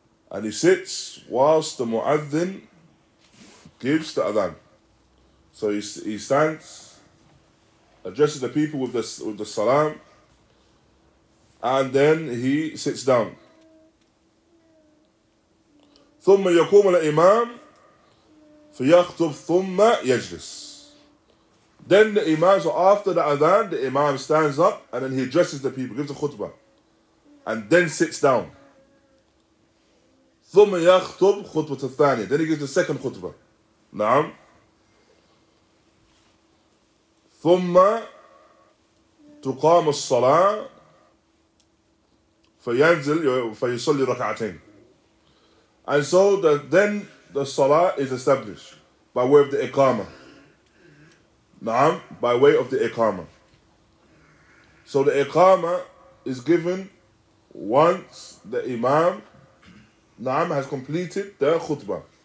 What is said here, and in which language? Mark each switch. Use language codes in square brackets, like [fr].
[en] And he sits whilst the mu'adhin gives the adhan. So he stands, addresses the people with the salam, and then he sits down. [ar] ثم يقوم الإمام فيخطب ثم يجلس. [en] Then the imam, so after the adhan, the imam stands up and then he addresses the people, gives a khutbah, and then sits down. [ar] ثم يخطب خطبة الثانية. [en] Then he gives the second khutbah. [ar] نعم. ثم تقام الصلاة فينزل فيصلي ركعتين. [en] And so that then the salah is established by way of the iqamah. Naam, by way of the iqamah. So the iqamah is given once the imam, naam, has completed the khutbah.